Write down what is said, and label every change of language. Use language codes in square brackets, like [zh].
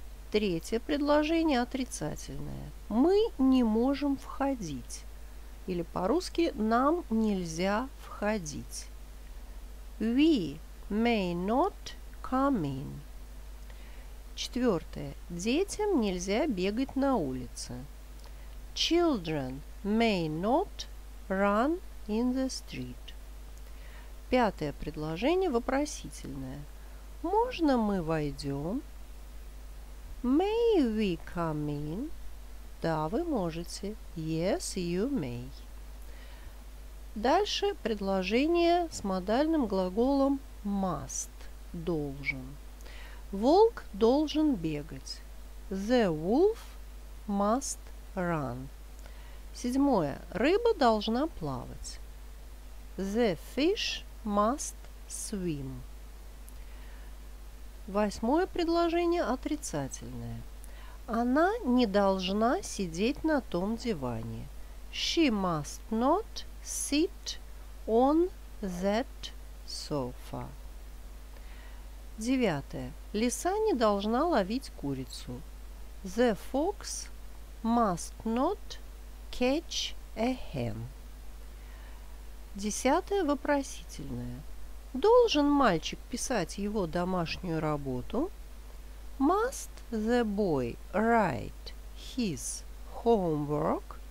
[ru] Третье предложение отрицательное. Мы не можем входить. Или по-русски нам нельзя входить. [en] We may not come in. [ru] Четвертое. Детям нельзя бегать на улице. [en] Children may not run in the street. [ru] Пятое предложение вопросительное. Можно мы войдем? [en] May we come in? [ru] Да, вы можете. [en] Yes, you may. [ru] Дальше предложение с модальным глаголом must, должен. Волк должен бегать. [en] The wolf must run. [ru] Седьмое. Рыба должна плавать. [en] The fish must swim. [ru] Восьмое предложение отрицательное. Она не должна сидеть на том диване. [en] She must not sit on that sofa. [ru] Девятое. Лиса не должна ловить курицу. [en] The fox must not catch a hen. [ru] Десятое вопросительное. Должен мальчик писать его домашнюю работу? [en] Must the boy write his homework?